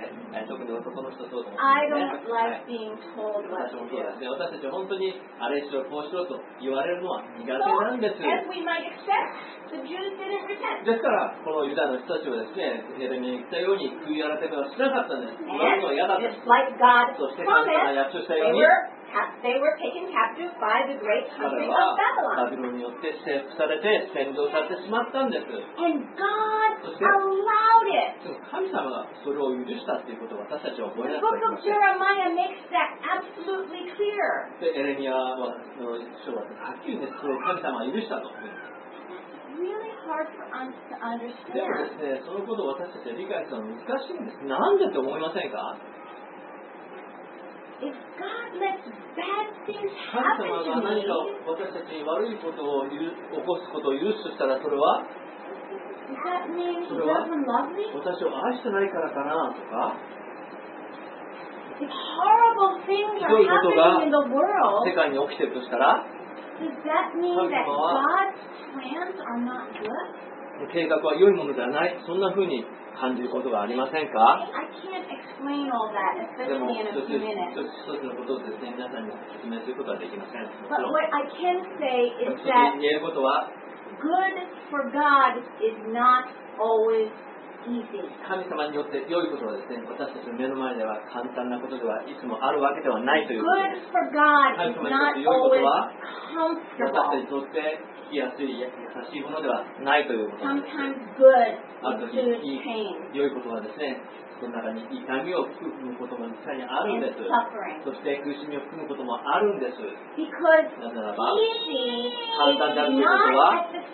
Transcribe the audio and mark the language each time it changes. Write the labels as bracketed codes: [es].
[en] I don't like being told what to do. So, as we might expect, the Jews didn't repent. [ja] ですから、このユダの人たちはですね、エレミアに言ったように悔い改めはしなかったんです。言われるのは嫌だった。 [en] Just like God promised, [ja] そして神様が約束したように。 [en] They were taken captive by the great country of Babylon. [ja] バビロンによって征服されて占領されてしまったんです。 [en] And God allowed it. [ja] 神様がそれを許したっていうことを私たちは覚えなきゃいけません。 [en] The book of Jeremiah makes that absolutely clear. [ja] で、エレミアの書ははっきりですね、神様は許したと。 [en] Really hard for us to understand. [ja] でもですね、そのことを私たちは理解するのは難しいんです。なんでって思いませんか？ [en] If God lets bad things happen to me, [ja] 神様が何か私たちに悪いことを起こすことを許すしたらそれは、それは私を愛してないからかなとか、 [en] If horrible things are happening in the world, [ja] 世界に起きているとしたら、 [en] Does that mean that God's plans are not good? [ja] 計画は良いものではない、そんな風に感じることがありませんか？でも一つのことをですね、皆さんに説明することはできません。 [en] But what I can say is that [ja] 言えることは、 [en] good for God is not always easy. [ja] 神様によって良いことはですね、私たちの目の前では簡単なことではいつもあるわけではないということです。 [en] Good for God is not always comfortable. [ja] 私たちにとって優しいものではないということです。 [en] Good to pain. [ja] 良いことはですね、その中に痛みを含むことも実際にあるんです。そして苦しみを含むこともあるんです。 [en] Because、 [ja] なぜならば、 easy 簡単であるということは、